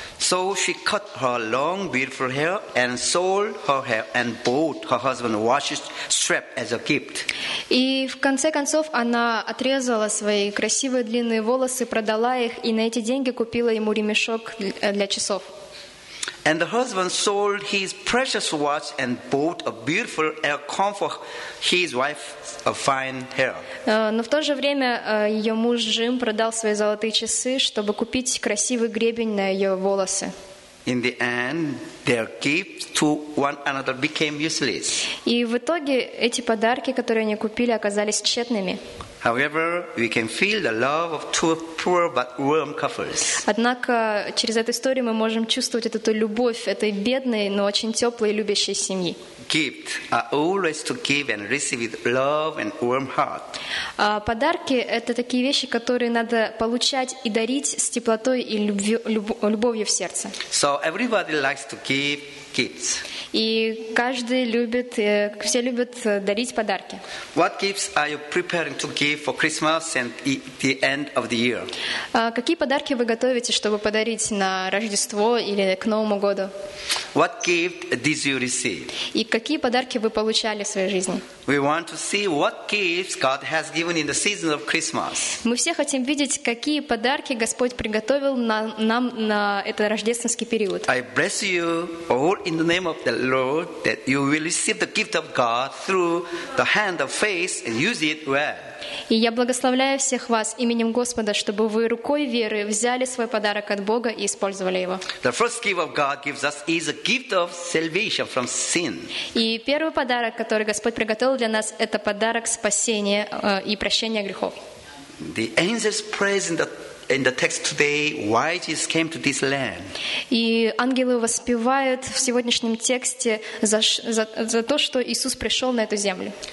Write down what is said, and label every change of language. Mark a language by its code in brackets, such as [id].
[en] So she cut her long beautiful hair and sold her hair and bought her husband a watch strap as a gift. [ru] И в конце концов она отрезала свои красивые длинные волосы, продала их и на эти деньги купила ему ремешок для часов. [en] And the husband sold his precious watch and bought a beautiful air comb for his wife's fine hair. [ru] Но в то же время ее муж Джим продал свои золотые часы, чтобы купить красивый гребень на ее волосы. [en] In the end, their gifts to one another became useless. [ru] И в итоге эти подарки, которые они купили, оказались тщетными. [en] However, we can feel the love of two poor but warm couples. [ru] Однако через эту историю мы можем чувствовать эту любовь этой бедной, но очень теплой и любящей семьи. [en] Gifts are always to give and receive with love and warm heart. [ru] Подарки – это такие вещи, которые надо получать и дарить с теплотой и любовью в сердце. [en] So everybody likes to give. Gifts. [ru] И каждый любит, все любят дарить подарки. [en] What gifts are you preparing to give for Christmas and the end of the year? [ru] Какие подарки вы готовите, чтобы подарить на Рождество или к Новому году? [en] What gift did you receive? [ru] И какие подарки вы получали в своей жизни? [en] We want to see what gifts God has given in the season of Christmas. [ru] Мы все хотим видеть, какие подарки Господь приготовил нам на этот рождественский период. [en] I bless you all in the name of the Lord that you will receive the gift of God through the hand of faith and use it well. [ru] И я благословляю всех вас именем Господа, чтобы вы рукой веры взяли свой подарок от Бога и использовали его. [en] The first gift of God gives us is a gift of salvation from sin. [ru] И первый подарок, который Господь приготовил для нас, это подарок спасения и прощения грехов. [en] The angels praise in the text today why Jesus came to this land. [ru] И ангелы воспевают в сегодняшнем тексте за то, что Иисус пришел на эту землю.